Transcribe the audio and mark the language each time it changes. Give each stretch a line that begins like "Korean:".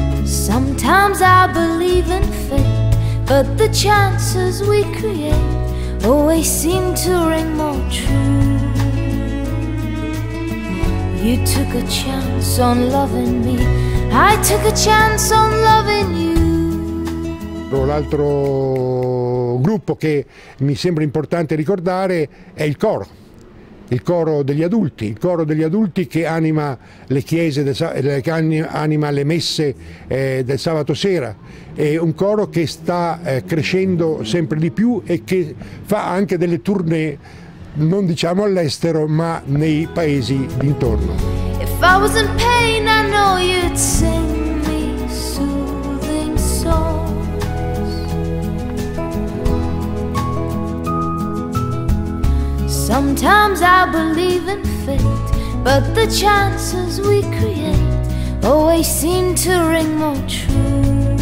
English: Sometimes I believe in fate, but the chances we create always seem to ring more true. You took a chance on loving me, I took a chance on loving you.
Italian: L'altro gruppo che mi sembra importante ricordare è il coro degli adulti che anima le chiese, che anima le messe del sabato sera. È un coro che sta crescendo sempre di più e che fa anche delle tournée, non diciamo all'estero, ma nei paesi d'intorno.
English: If I was in pain, I know you'd sing me soothing songs. Sometimes I believe in fate, but the chances we create always seem to ring more true.